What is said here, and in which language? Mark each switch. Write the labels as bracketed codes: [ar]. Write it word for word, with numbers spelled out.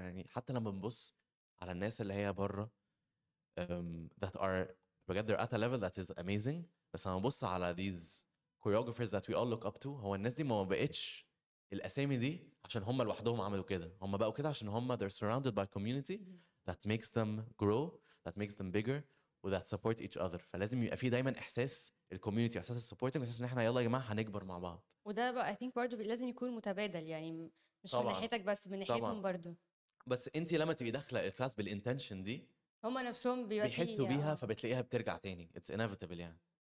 [ar] يعني حتى لما بنبص على الناس اللي هي بره um, [en] that are [ar] بجد [en] they're at a level that is amazing، [ar] بس لما ببص على [en] these choreographers that we all look up to، [ar] هو الناس دي ما بقتش الاسامي دي عشان هم لوحدهم عملوا كده، هم بقوا كده عشان هم [en] they're surrounded by community [ar] مهم. [en] that makes them grow that makes them bigger و that support each other. [ar] فلازم يبقى في دايما احساس الكوميونتي، احساس السبورتنج، احساس ان احنا يلا يا جماعه هنكبر مع بعض. وده بقى [en] I think [ar] برضه لازم يكون متبادل، يعني م- مش من طبعا ناحيتك بس، من ناحيتهم طبعا، برضه بس انت لما تبقي داخله الكلاس بالانتنشن دي هما نفسهم بيبقى بيحسوا فيه بيها، اه فبتلاقيها بترجع تاني، [en] it's inevitable [ar] يعني.